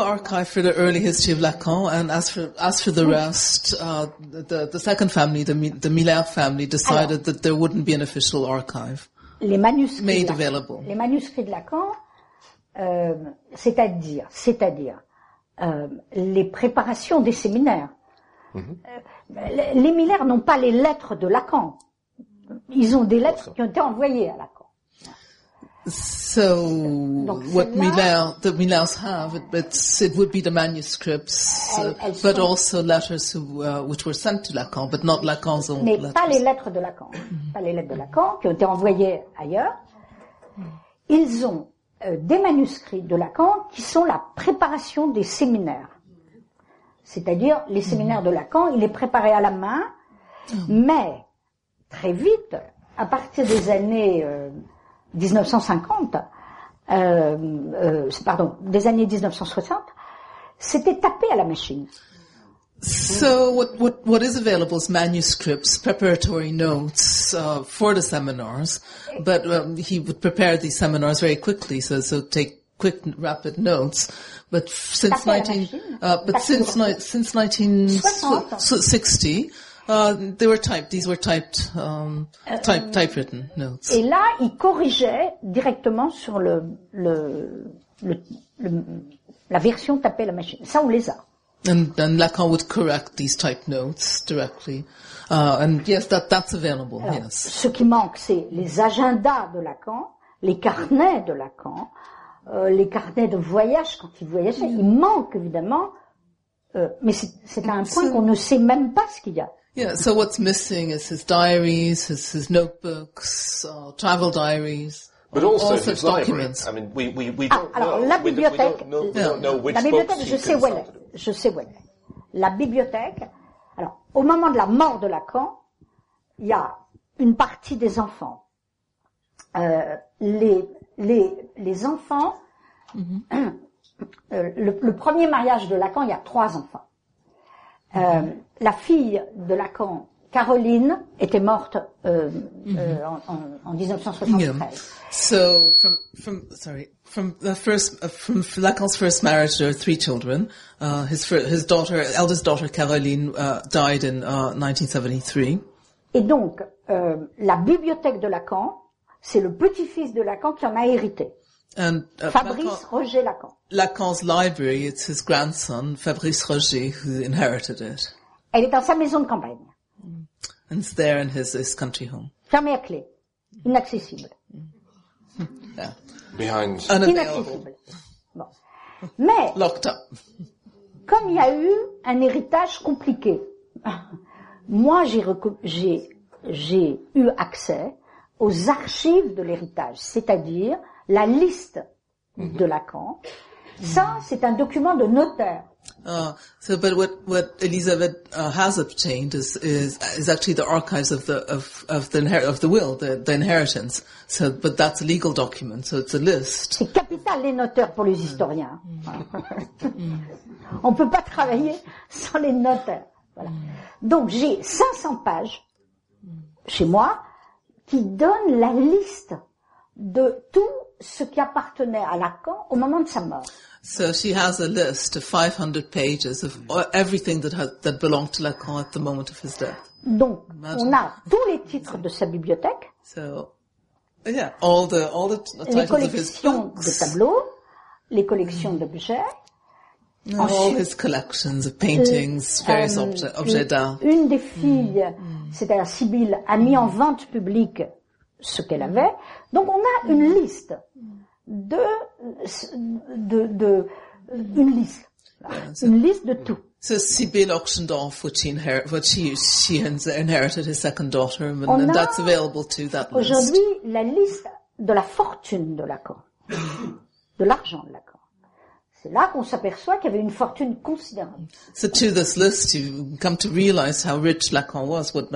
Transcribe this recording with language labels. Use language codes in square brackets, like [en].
[en] archive for the early history of Lacan, and as for the rest, the second family, the Miller family, decided that there wouldn't be an official archive available. [fr] Les manuscrits de Lacan, c'est-à-dire les préparations des séminaires. Les Miller n'ont pas les lettres de Lacan. Ils ont des lettres qui ont été envoyées à Lacan. [en] So, what the Millers have, it would be the manuscripts, but also letters which were sent to Lacan, but not Lacan's own letters. [fr] Mais pas les lettres de Lacan. Pas les lettres de Lacan qui ont été envoyées ailleurs. Ils ont des manuscrits de Lacan qui sont la préparation des séminaires. C'est-à-dire, les séminaires de Lacan, il les préparait à la main, mais très vite, à partir des années 1950, des années 1960, c'était tapé à la machine. [en] So what is available is manuscripts, preparatory notes for the seminars, but he would prepare these seminars very quickly, so take quick, rapid notes. But since 1960, they were typed. These were typed, typewritten notes. [fr] Et là, il corrigeait directement sur la version tapée à la machine. Ça, on les a. [en] And Lacan would correct these type notes directly. And yes, that's available. [fr] Alors, [en] yes. [fr] Ce qui manque, c'est les agendas de Lacan, les carnets de Lacan, les carnets de voyage quand il voyageait. Il manque évidemment, mais c'est à un point qu'on ne sait même pas ce qu'il y a. [en] Yeah, so what's missing is his diaries, his notebooks, travel diaries. But also all his documents. Library. I mean, we don't know. [fr] Alors, la bibliothèque, je sais où elle est. La bibliothèque, alors, au moment de la mort de Lacan, il y a une partie des enfants. Les enfants, le premier mariage de Lacan, il y a 3 enfants. La fille de Lacan, Caroline, était morte en 1973. [en] Yeah. So from Lacan's first marriage, there are 3 children. His eldest daughter Caroline died in 1973. [fr] Et donc la bibliothèque de Lacan, c'est le petit-fils de Lacan qui en a hérité. [en] And Fabrice Roger Lacan. Lacan's library, it's his grandson Fabrice Roger who inherited it. [fr] Elle est dans sa maison de campagne. [en] And it's there in his country home. [fr] Fermé à clé. Inaccessible. [en] Yeah. Behind. Unavailable. [fr] Inaccessible. Bon. Mais. [en] Locked up. [fr] Comme il y a eu un héritage compliqué, moi j'ai eu accès aux archives de l'héritage, c'est-à-dire la liste de Lacan. Ça, c'est un document de notaire. [en] But what Elizabeth has obtained is actually the archives of the will, the inheritance. So, but that's a legal document, so it's a list. [fr] C'est capital les notaires pour les historiens. On peut pas travailler sans les notaires. Voilà. Donc j'ai 500 pages chez moi qui donnent la liste de tout ce qui appartenait à Lacan au moment de sa mort. [en] So she has a list of 500 pages of everything that belonged to Lacan at the moment of his death. [fr] Donc, imagine. On a tous les titres de sa bibliothèque. [en] So, yeah, all the titles of his books. [fr] Les collections de tableaux, les collections d'objets. [en] Ensuite, all his collections of paintings, various objets d'art. [fr] Une des filles, c'est-à-dire Sibylle, a mis en vente publique ce qu'elle avait. Donc, on a une liste. Une liste de tout. [en] So Sibylle auctioned off what she inherited his second daughter, and that's available to that list. [fr] Aujourd'hui, la liste de la fortune de Lacan, de l'argent de Lacan. C'est là qu'on s'aperçoit qu'il y avait une fortune considérable. [en] So to this list, you come to realize how rich Lacan was.